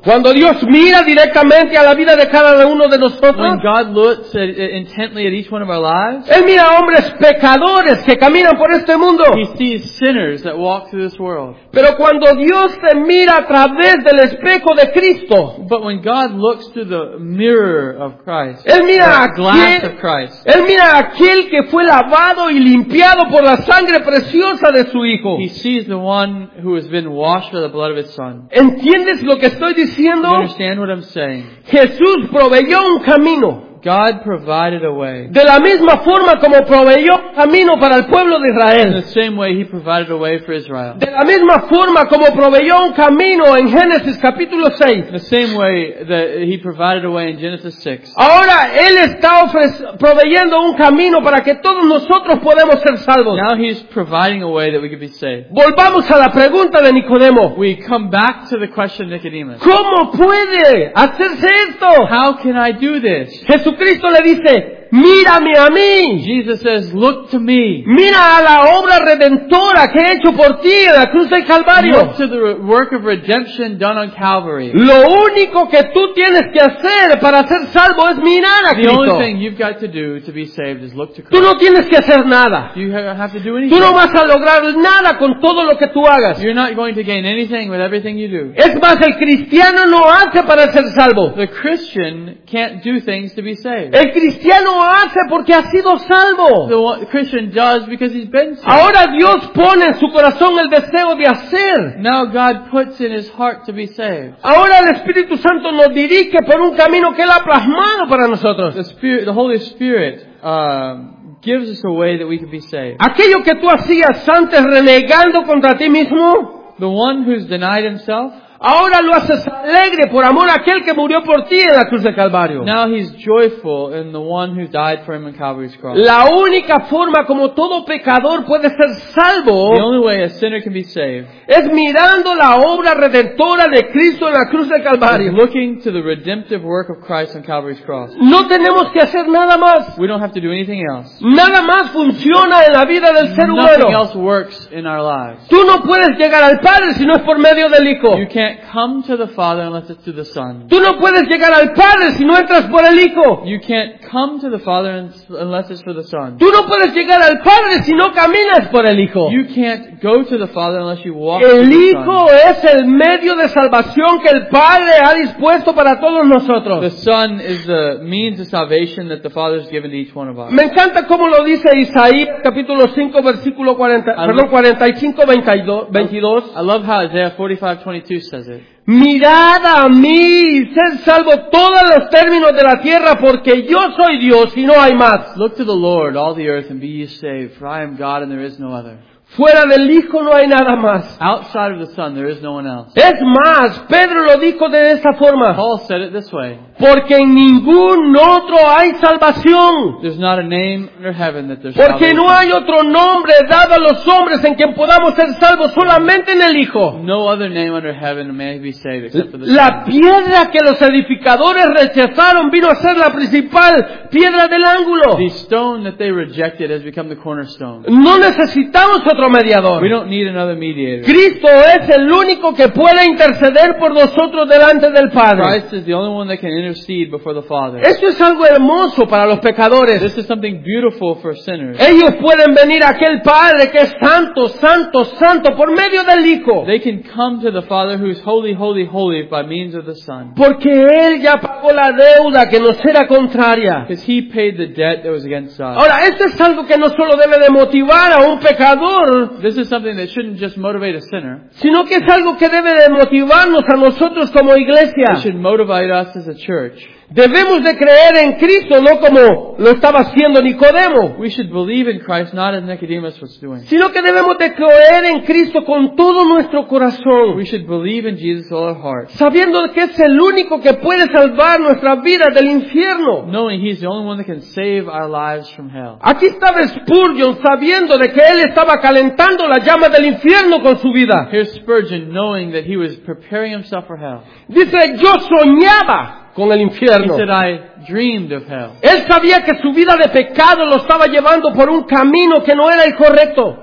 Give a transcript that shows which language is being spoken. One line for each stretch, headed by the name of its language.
Spanish: Cuando Dios mira directamente a la vida de cada uno de nosotros,
English: when God looks intently at each one of our lives,
Spanish: él mira a hombres pecadores que caminan por este mundo.
English: He sees sinners that walk through this world.
Spanish: Pero cuando Dios te mira a través del espejo de Cristo,
English: but when God looks through the mirror of Christ,
Spanish: él mira
English: the glass of Christ,
Spanish: él mira aquel que fue lavado y limpiado por la sangre preciosa de su hijo.
English: He sees the one who has been washed by the blood of his son.
Spanish: ¿Entiendes lo que estoy diciendo?
English: You understand what I'm saying?
Spanish: Jesús proveyó un camino.
English: God provided a way.
Spanish: De la misma forma como proveyó camino para el pueblo de Israel.
English: In the same way he provided a way for Israel.
Spanish: De la misma forma como proveyó un camino en Génesis capítulo 6.
English: The same way that he provided a way in Genesis 6.
Spanish: Ahora él está proveyendo un camino para que todos nosotros podamos ser salvos.
English: Now he's providing a way that we could be saved.
Spanish: Volvamos a la pregunta de Nicodemo.
English: We come back to the question of Nicodemus.
Spanish: ¿Cómo puede hacerse esto?
English: How can I do this?
Spanish: Jesucristo le dice, mírame a mí.
English: Jesus says, look to me.
Spanish: Mira a la obra redentora que he hecho por ti en la cruz del Calvario.
English: Look to the work of redemption done on Calvary.
Spanish: Lo único que tú tienes que hacer para ser salvo es mirar a Cristo.
English: The only thing you've got to do to be saved is look to Christ.
Spanish: Tú no tienes que hacer nada.
English: You have to do anything.
Spanish: Tú no vas a lograr nada con todo lo que tú hagas.
English: You're not going to gain anything with everything you do.
Spanish: Es más, el cristiano no hace para ser salvo.
English: The Christian can't do things to be saved.
Spanish: El cristiano hace porque ha sido salvo.
English: The Christian does because he's been saved.
Spanish: Ahora Dios pone en su corazón el deseo de hacer.
English: Now God puts in his heart to be saved.
Spanish: Ahora el Espíritu Santo nos dirige por un camino que él ha plasmado para nosotros.
English: The Holy Spirit gives us a way that we can be saved.
Spanish: Aquello que tú hacías antes renegando contra ti mismo,
English: the one who's denied himself,
Spanish: ahora lo haces alegre por amor a aquel que murió por ti en la cruz de Calvario.
English: Now he's joyful in the one who died for him in Calvary's cross.
Spanish: La única forma como todo pecador puede ser salvo,
English: the only way a sinner can be saved,
Spanish: es mirando la obra redentora de Cristo en la cruz de Calvario.
English: Is looking to the redemptive work of Christ on Calvary's cross.
Spanish: No tenemos que hacer nada más.
English: We don't have to do anything else.
Spanish: Nada más funciona en la vida del ser humano.
English: Nothing else works in our lives.
Spanish: Tú no puedes llegar al Padre si no es por medio del Hijo.
English: You can't come to the Father unless it's through the Son.
Spanish: Tú no puedes llegar al Padre si no entras por el Hijo.
English: You can't come to the Father unless it's for the Son.
Spanish: Tú no puedes llegar al Padre si no caminas por el Hijo.
English: You can't go to the Father unless you walk.
Spanish: El Hijo es el medio de salvación que el Padre ha dispuesto para todos nosotros.
English: The Son is the means of salvation that the Father has given to each one of us.
Spanish: Me encanta cómo lo dice Isaías capítulo 5 versículo 45-22.
English: I love how Isaiah 45:22 says.
Spanish: Mirad a mí y sed salvo todos los términos de la tierra, porque yo soy Dios y no hay más.
English: Look to the Lord, all the earth, and be ye saved, for I am God and there is no other.
Spanish: Fuera del Hijo no hay nada más.
English: Outside of the Son, there is no one else.
Spanish: Es más, Pedro lo dijo de esta forma.
English: Paul said it this way.
Spanish: Porque en ningún otro hay salvación.
English: There's not a name under heaven that there's
Spanish: Porque
English: salvation.
Spanish: No hay otro nombre dado a los hombres en quien podamos ser salvos, solamente en el Hijo.
English: No other name under heaven may be saved except for the
Spanish: La
English: Son.
Spanish: Piedra que los edificadores rechazaron vino a ser la principal piedra del ángulo.
English: The stone that they rejected has become the cornerstone.
Spanish: No necesitamos otro mediador.
English: We don't need another mediator.
Spanish: Cristo es el único que puede interceder por nosotros delante del Padre.
English: Christ is the only one that can intercede before the Father.
Spanish: Esto es algo hermoso para los pecadores.
English: This is something beautiful for sinners.
Spanish: Ellos pueden venir a aquel Padre que es santo, santo, santo por medio del Hijo.
English: They can come to the Father who is holy, holy, holy by means of the Son.
Spanish: Porque Él ya pagó la deuda que nos era contraria.
English: Because He paid the debt that was against us.
Spanish: Ahora, esto es algo que no solo debe de motivar a un pecador.
English: This is something that shouldn't just motivate a sinner.
Spanish: Sino que es algo que debe de motivarnos a nosotros como iglesia.
English: It should motivate us as a church.
Spanish: Debemos de creer en Cristo, no como lo estaba haciendo Nicodemo.
English: We should believe in Christ, not as Nicodemus was doing.
Spanish: Sino que debemos de creer en Cristo con todo nuestro corazón.
English: We should believe in Jesus with all our heart.
Spanish: Sabiendo que es el único que puede salvar nuestras vidas del infierno.
English: Knowing He's the only one that can save our lives from hell.
Spanish: Aquí estaba Spurgeon sabiendo de que él estaba calentando la llama del infierno con su vida.
English: Here's Spurgeon knowing that he was preparing himself for hell.
Spanish: Dice, yo soñaba. Con el infierno.
English: He said, I dreamed of hell.
Spanish: Él sabía que su vida de pecado lo estaba llevando por un camino que no era el correcto.